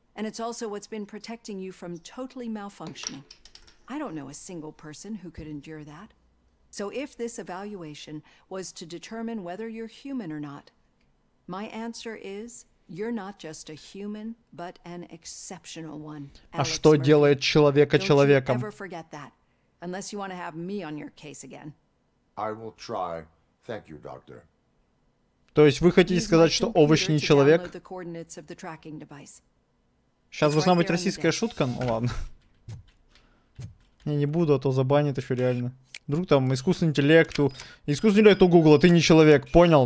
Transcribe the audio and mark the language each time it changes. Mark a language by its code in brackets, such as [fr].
[en] And it's also what's been protecting you from totally malfunctioning. I don't know a single person who could endure that. So if this evaluation was to determine whether you're human or not, my answer is, you're not just a human, but an exceptional one. [ru] А что делает человека человеком? [en] Don't you ever forget that, unless you want to have me on your case again. I will try. Thank you, doctor. [ru] То есть вы хотите сказать, что овощ не человек? [en] Use my computer to download the coordinates of the tracking device. [ru] Сейчас должна быть российская шутка, ну ладно. Я не буду, а то забанят еще реально. Вдруг там искусственный интеллект у Гугла, ты не человек, понял?